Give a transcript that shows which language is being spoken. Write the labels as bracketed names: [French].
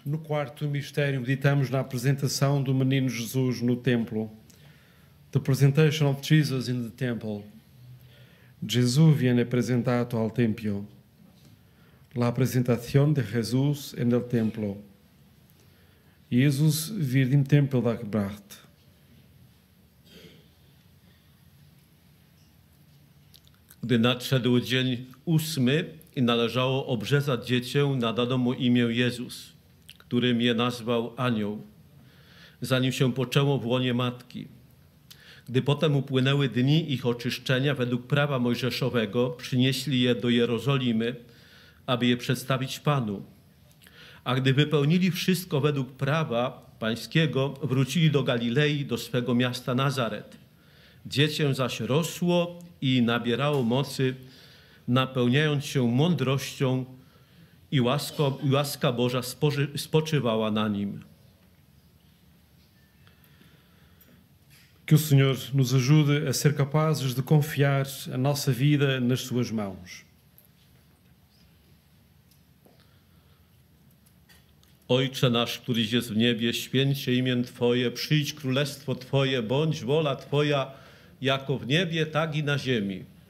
[Portuguese] Quarto mistério, meditamos na apresentação do menino Jesus no templo. [English] The presentation of Jesus in the temple. [Italian] Jesus viene presentato al tempio. [Spanish] La presentación de Jesús en el templo. [German] Jesus wird im Tempel gebracht. [Polish] gdy nadszedł dzień ósmy i należało obrzezać dziecię, nadano mu imię Jezus, którym je nazwał anioł, zanim się poczęło w łonie matki. Gdy potem upłynęły dni ich oczyszczenia według prawa mojżeszowego, przynieśli je do Jerozolimy, aby je przedstawić Panu. A gdy wypełnili wszystko według prawa pańskiego, wrócili do Galilei, do swego miasta Nazaret. Dziecię zaś rosło i nabierało mocy, napełniając się mądrością i łaska Boża spoczywała na nim. [Portuguese] Que o Senhor nos ajude a ser capazes de confiar a nossa vida nas Suas mãos. [Polish] Ojcze nasz, któryś jest w niebie, święć się imię Twoje, przyjdź królestwo Twoje, bądź wola Twoja, jako w niebie, tak i na ziemi.